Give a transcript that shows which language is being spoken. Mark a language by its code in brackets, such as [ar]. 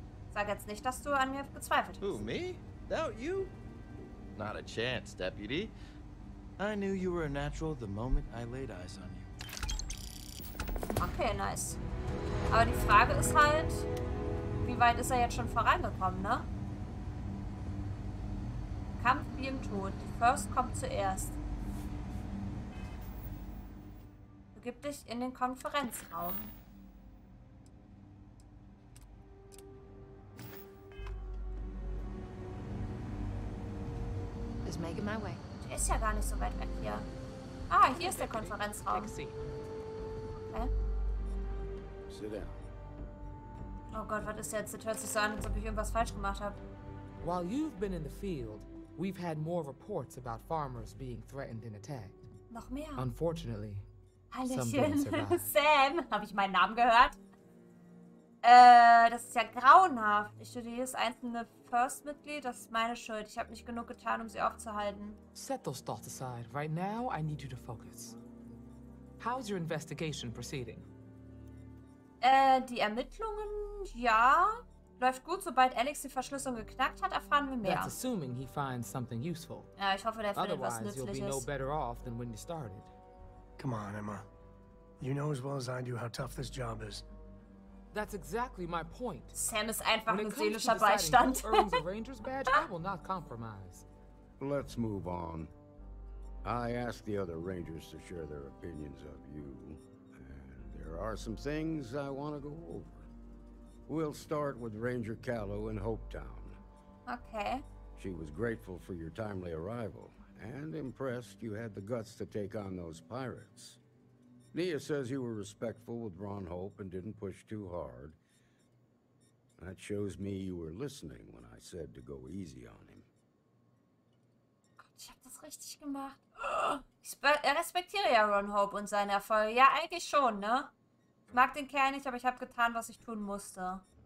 [de] Sag jetzt nicht, dass du an mir gezweifelt hast. [en] Who, me? Doubt you? Not a chance, Deputy. I knew you were a natural the moment I laid eyes on you. Okay, nice. [de] Aber die Frage ist halt, wie weit ist er jetzt schon vorangekommen, ne? Kampf wie im Tod. Die First kommt zuerst. Begib dich in den Konferenzraum. [en] Just making my way. [de] Der ist ja gar nicht so weit weg hier. Ah, hier ist der Konferenzraum. [en] Take a seat. Sit down. [de] Oh Gott, was ist jetzt? Das hört sich so an, als ob ich irgendwas falsch gemacht habe. [en] While you've been in the field, we've had more reports about farmers being threatened and attacked. [de] Noch mehr. [en] Unfortunately, [de] Hallöchen. Sam, habe ich meinen Namen gehört? Das ist ja grauenhaft. Ich studiere jedes einzelne First-Mitglied. Das ist meine Schuld. Ich habe nicht genug getan, um sie aufzuhalten. [en] Set those thoughts aside. Right now, I need you to focus. How's your investigation proceeding? [de] Die Ermittlungen, ja, läuft gut. Sobald Alex die Verschlüsselung geknackt hat, erfahren wir mehr. [en] That's assuming he finds something useful. [de] Ja, ich hoffe, der findet was Nützliches. [en] You'll be no better off than when you started. Come on, Emma. You know as well as I do how tough this job is. That's exactly my point. [de] Sam ist einfach ein seelischer Beistand. [en] When it comes to deciding who earns a Ranger's badge, I will not compromise. Let's move on. I asked the other Rangers to share their opinions of you, and there are some things I want to go over. We'll start with Ranger Callow in Hopetown. Okay. She was grateful for your timely arrival, and impressed you had the guts to take on those pirates. Nia says you were respectful with Ron Hope and didn't push too hard. That shows me you were listening when I said to go easy on him. [de] Ich hab das richtig gemacht. Ich respektiere ja Ron Hope und seine Erfolge. Ja, eigentlich schon, ne? Ich mag den Kerl nicht, aber ich habe getan, was ich tun musste.